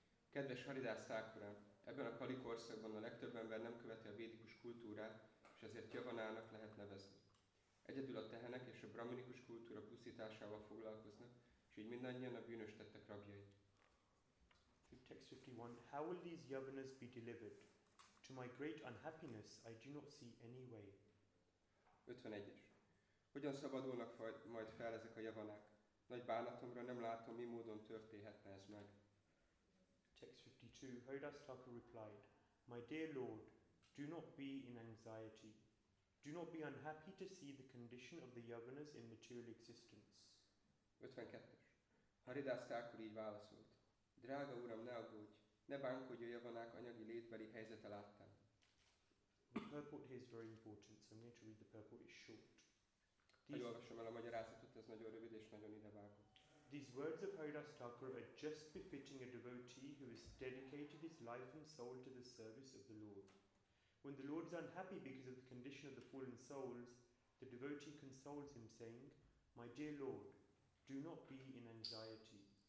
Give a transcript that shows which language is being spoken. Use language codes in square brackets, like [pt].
[hu] Kedves Haridas Thakuram, ebben a Kali korszakban a legtöbb ember nem követi a védikus kultúrát, és ezért Yavanának lehet nevezni. Egyedül a tehenek és a brahminikus kultúra pusztításával foglalkoznak, és így mindannyian a bűnös tettek rabjai. [en] Text 51. How will these Yavanas be delivered? To my great unhappiness, I do not see any way. [hu] 51-es. Hogyan szabadulnak majd fel ezek a Yavanák? Nagy bánatomra nem látom, mi módon történhetne ez meg. [en] Text 52. Haridas Thakur replied, my dear Lord, do not be in anxiety. Do not be unhappy to see the condition of the Yavanas in material existence. 52-es. [hu] Haridas Thakur így válaszolt. Drága Uram, ne aggódj! Ne bánkodj a Yavanák anyagi létbeli helyzete láttán. [en] The purport here is very important, so I'm going to read the purport, it's short. [hu] Hogy olvassam el a magyarázatot, ez nagyon rövid és nagyon idevágó. [en] These words of Haridas Thakur are just befitting a devotee who has dedicated his life and soul to the service of the Lord. When the Lord is unhappy because of the condition of the fallen souls, the devotee consoles him saying, my dear Lord, do not be in anxiety.